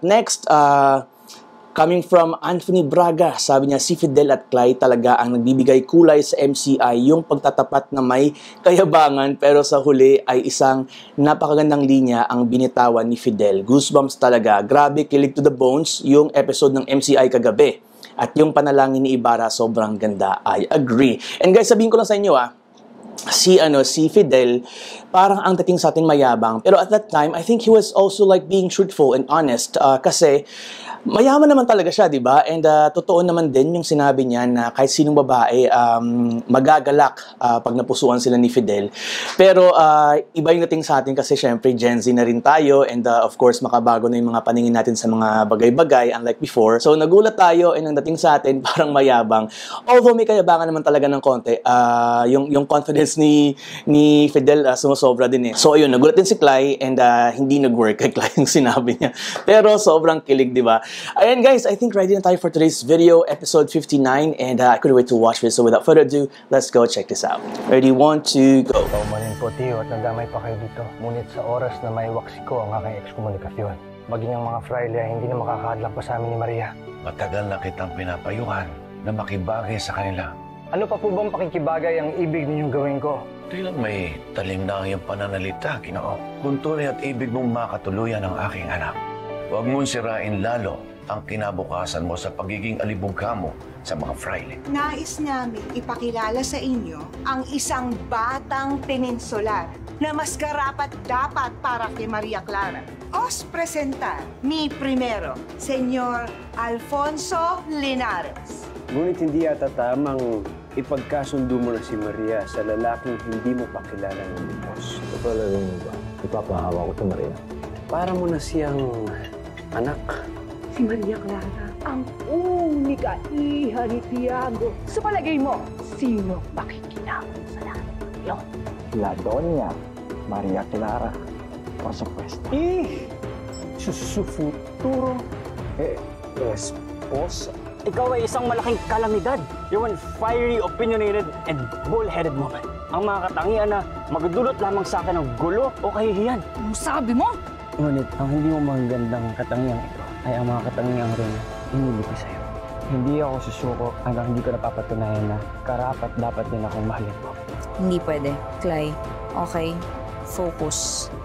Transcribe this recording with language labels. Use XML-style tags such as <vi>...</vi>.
<tl>Next, coming from Anthony Braga, sabi niya, "Si Fidel at Clay talaga ang nagbibigay kulay sa MCI, yung pagtatapat na may kayabangan, pero sa huli ay isang napakagandang linya ang binitawan ni Fidel. Goosebumps talaga. Grabe,</tl> <en>kilig to the bones</en> <tl>yung episode ng MCI kagabi. At yung panalangin ni Ibarra, sobrang ganda. I agree." And guys, sabihin ko lang sa inyo ah, si Fidel, parang ang dating sa atin mayabang.</tl> <en>Pero at that time, I think he was also like being truthful and honest</en> <tl>kasi mayaman naman talaga siya, di ba? And totoo naman din yung sinabi niya na kahit sinong babae, magagalak pag napusuan sila ni Fidel. Pero iba yung dating sa atin kasi syempre</tl> <en>Gen Z</en> <tl>na rin tayo and of course makabago na yung mga paningin natin sa mga bagay-bagay unlike before. So nagulat tayo and ang dating sa atin parang mayabang. Although may kayabangan naman talaga ng konti, yung confidence ni Fidel sumasobra din eh. So ayun, nagulat din si Clay and hindi nag-work kay Clay yung sinabi niya. Pero sobrang kilig, di ba?</tl> <en>Ayan guys, I think</en> <tl>ready na tayo</tl> <en>for today's video, episode 59, and I couldn't wait to watch this. So without further ado, let's go check this out. Ready, 1, 2, go!</en> <tl>Paumanin po, tiyo, at nagdamay pa kayo dito. Ngunit sa oras na maiwaksi ko ang aking ekskomunikasyon, maging ang mga fraile ay hindi na makakaadlak pa sa amin ni Maria. Matagal na kitang pinapayuhan na makibagay sa kanila. Ano pa po bang pakikibagay ang ibig ninyong gawin ko? Tilang may talim na ang iyong pananalita, Ginoo. Kunturi at ibig mong makatuluyan ang aking anak. Huwag mong sirain lalo ang kinabukasan mo sa pagiging alibugha mo sa mga fraile. Nais namin ipakilala sa inyo ang isang batang peninsular na mas karapat dapat para kay Maria Clara.</tl> <es>Os presentar mi primero, Señor Alfonso Linares.</es> <tl>Ngunit hindi ata tamang ipagkasundo mo na si Maria sa lalaking hindi mo pakilala ng Diyos. Kapalagin mo ba? Ipapahawa ko sa Maria. Para mo na siyang anak. Si Maria Clara, ang unika iha ni Tiago. So palagay mo, sino makikinabang sa lahat ng iyo?</tl> <es>La Doña Maria Clara, por supuesto. Su futuro esposa.</es> <tl>Ikaw ay isang malaking kalamidad.</tl> <en>You're one fiery, opinionated, and bullheaded woman.</en> <tl>Ang mga katangian na magdudulot lamang sa akin ng gulo o kahihiyan. Ang sabi mo? Ngunit ang hindi mo magandang katangiang ito ay ang mga katangiang rin inibigay sa'yo. Hindi ako susuko hanggang hindi ko napapatunayan na karapat dapat din akong mahalin mo. Hindi pwede, Clay.</tl> <en>Okay, focus.</en>